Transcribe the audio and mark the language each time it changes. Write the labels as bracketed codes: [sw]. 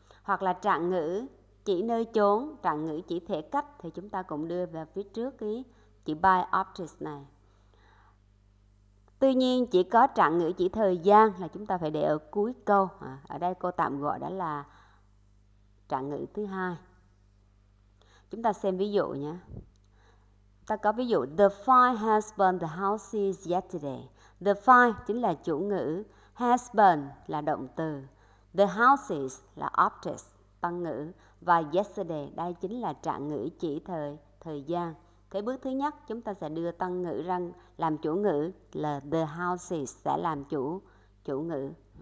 [vi] Hoặc là trạng ngữ chỉ nơi chốn, trạng ngữ chỉ thể cách thì chúng ta cũng đưa vào phía trước cái chữ by object này. Tuy nhiên chỉ có trạng ngữ chỉ thời gian là chúng ta phải để ở cuối câu. Ở đây cô tạm gọi đó là trạng ngữ thứ hai. Chúng ta xem ví dụ nhé. Ta có ví dụ, [en] the fire has burned the houses yesterday. [vi] The fire chính là chủ ngữ, has burned là động từ, the houses là object, tăng ngữ, và yesterday đây chính là trạng ngữ chỉ thời gian. Cái bước thứ nhất, chúng ta sẽ đưa tăng ngữ ra làm chủ ngữ, là the houses sẽ làm chủ ngữ.